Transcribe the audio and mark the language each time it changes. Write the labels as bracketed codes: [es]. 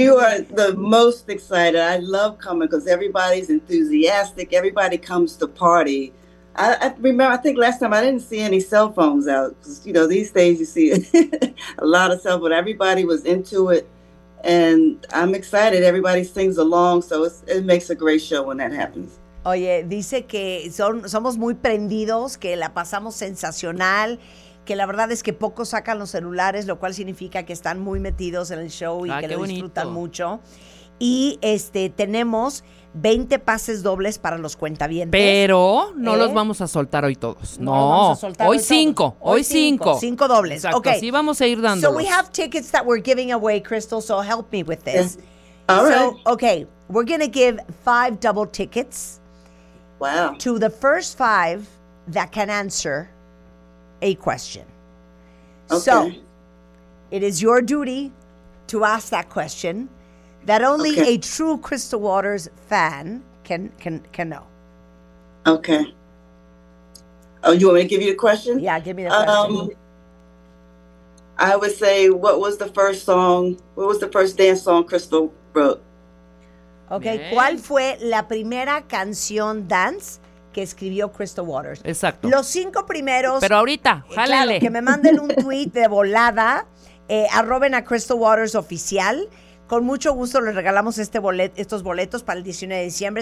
[en] You are the most excited. I love coming because everybody's enthusiastic. Everybody comes to party. I remember, I think last time I didn't see any cell phones out. You know, these days you see a lot of cell phones. Everybody was into it. And I'm excited. Everybody sings along. So it makes a great show when that happens. [es] Oye, dice que somos muy prendidos, que la pasamos sensacional. Que la verdad es que pocos sacan los celulares, lo cual significa que están muy metidos en el show y que lo disfrutan mucho. Y tenemos 20 pases dobles para los cuentavientes. Pero no los vamos a soltar hoy todos. No, no los vamos a soltar hoy cinco. Cinco dobles. Exacto, [en] okay. [es] Así vamos a ir dándolos. [en] So we have tickets that we're giving away, Crystal, so help me with this. All right. So, okay, we're going to give 5 double tickets. Wow. To the first 5 that can answer a question. Okay. So, it is your duty to ask that question that only a true Crystal Waters fan can know. Okay. Oh, you want me to give you a question? Yeah, give me the question. I would say, what was the first dance song Crystal wrote? Okay, nice. [es] ¿Cuál fue la primera canción dance que escribió Crystal Waters? Exacto. Los 5 primeros. Pero ahorita, jálale. Claro, que me manden un tweet de volada, arroben a Crystal Waters oficial. Con mucho gusto les regalamos estos boletos para el 19 de diciembre.